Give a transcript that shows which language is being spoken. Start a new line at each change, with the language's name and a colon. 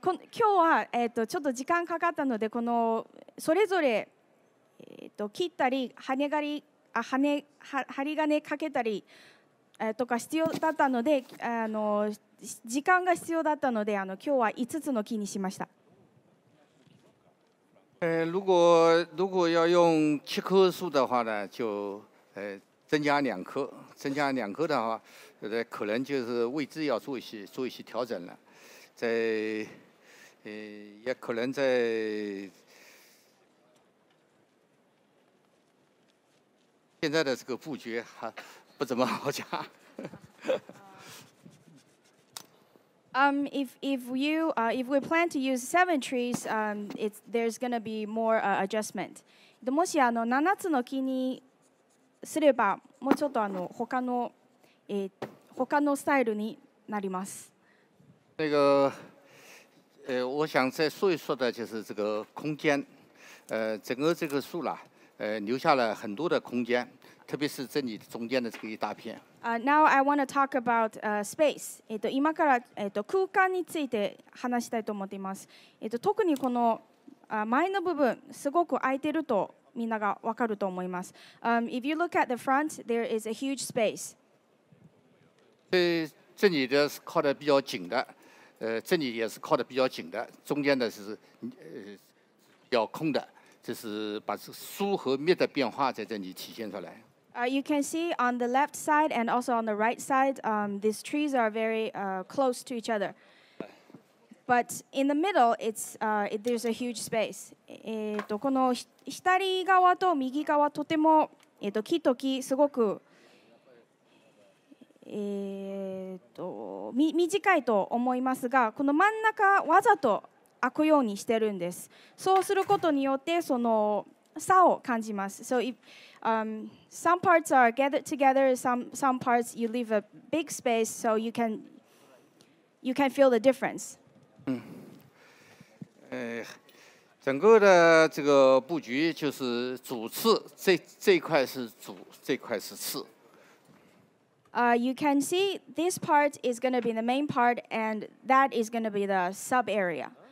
Japanese: 今日は、ちょっと時間かかったので、このそれぞれ、切ったり、針金かけたり、とか必要だったので、時間が必要だったので、今日は5つの木にしました。
Chinese: 如果要用七棵树的话呢、就增加两棵的话、可能就是位置要做一些调整了。在，也可能在，现在的这个布局还不怎么好讲。
English: If we plan to use 7 trees, there's gonna be more adjustment.
Japanese: もし7つの木にすれば、もうちょっと他のスタイルになります。
Chinese: 那个，我想再说一说的，就是这个空间，整个这个树啦，留下了很多的空间，特别是这里中间的这个一大片。
English: Now I want to talk about space.
Japanese: 今から空間について話したいと思っています。特にこの前の部分すごく空いてるとみんながわかると思います。
English: If you look at the front, there is a huge space.
Chinese: 这里的是靠的比较紧的。这里也是靠的比较紧的，中间的是比较空的，就是把疏和密的变化在这里体现出来。
English: You can see on the left side and also on the right side, these trees are very close to each other. But in the middle, there's a huge space.
Japanese: この左側と右側とても木と木すごく短いと思いますが、この真ん中わざと開くようにしてるんです。そうすることによってその差を感じます。
English: So some parts are gathered together, some parts you leave a big space so you can feel the difference.
Chinese: 整个的这个布局就是主次，这块是主，这块是次。
English: You can see this part is going to be the main part, and that is going to be the sub area.